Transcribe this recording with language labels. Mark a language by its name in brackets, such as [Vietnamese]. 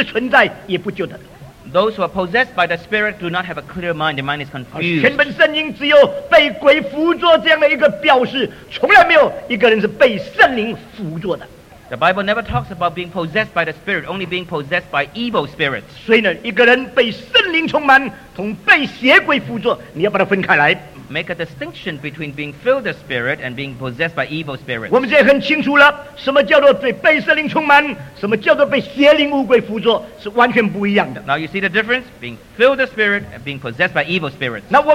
[English] Those who are possessed by the Spirit do not have a clear mind. Their mind is confused. The Bible never talks about being possessed by the Spirit, only being possessed by evil spirits. [Chinese] 所以呢，一个人被圣灵充满，同被邪鬼附着，你要把它分开来。 [English] Make a distinction between being filled with the Spirit and being possessed by evil spirits. [Chinese] 我们现在很清楚了，什么叫做被圣灵充满，什么叫做被邪灵污鬼附着，是完全不一样的。 [English] Now you see the difference? Being filled with the Spirit and being possessed by evil spirits.